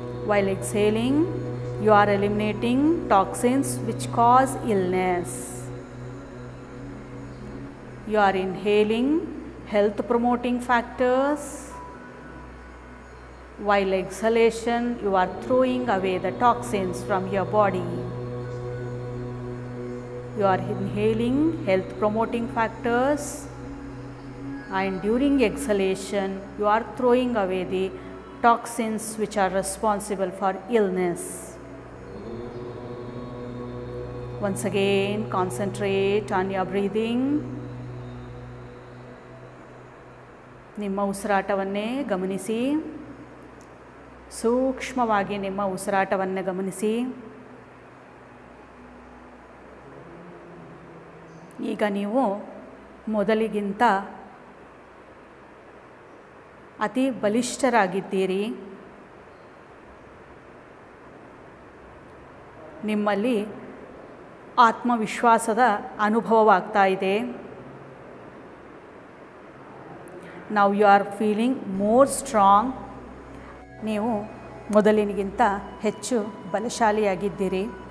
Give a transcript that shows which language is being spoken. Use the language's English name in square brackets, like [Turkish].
[English] While exhaling you are eliminating toxins which cause illness. You are inhaling health promoting factors. While exhalation you are throwing away the toxins from your body. You are inhaling health promoting factors and during exhalation you are throwing away the toxins which are responsible for illness. Once again concentrate on your breathing. [Kannada] Nimma usratavanne gamanisi. Sookshmavagi nimma usratavanne gamanisi. Iga neevu modaliginta ಅತಿ ಬಲಿಷ್ಠರಾಗಿದ್ದೀರಿ. ನಿಮ್ಮಲ್ಲಿ ಆತ್ಮವಿಶ್ವಾಸದ ಅನುಭವವಾಗ್ತಾ ಇದೆ. [English] Now you are feeling more strong. [Kannada] ನೀವು ಮೊದಲಿನಿಗಿಂತ ಹೆಚ್ಚು ಬಲಶಾಲಿಯಾಗಿದ್ದೀರಿ.